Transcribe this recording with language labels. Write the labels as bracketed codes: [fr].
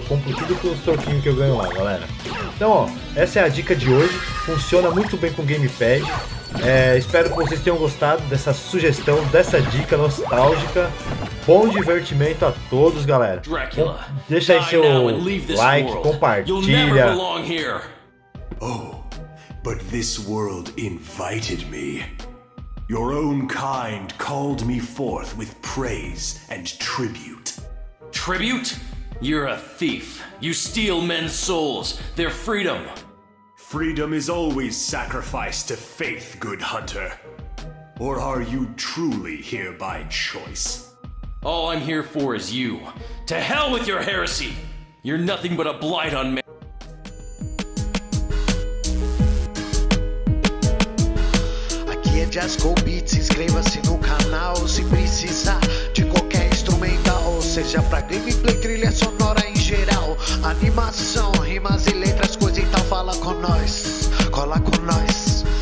[pt] Que eu compro tudo com os troquinhos que eu ganho lá, galera. Então, ó, essa é a dica de hoje. Funciona muito bem com Gamepad. Espero que vocês tenham gostado dessa sugestão, dessa dica nostálgica. Bom divertimento a todos, galera. Deixa aí seu like, compartilha. [en] Oh, but this world invited me. Your own kind called me forth with praise and tribute. Tribute? You're a thief. You steal men's souls, their freedom. Freedom is always sacrificed to faith, good hunter. Or are you truly here by choice? All I'm here for is you. To hell with your heresy! You're nothing but a blight on men. [pt] Aqui é Jasco Beats, inscreva-se no canal se precisar de qualquer instrumental, seja pra gameplay, trilha sonora em geral, animação, rimas e letras, coisa e tal, fala com nós, cola com nós.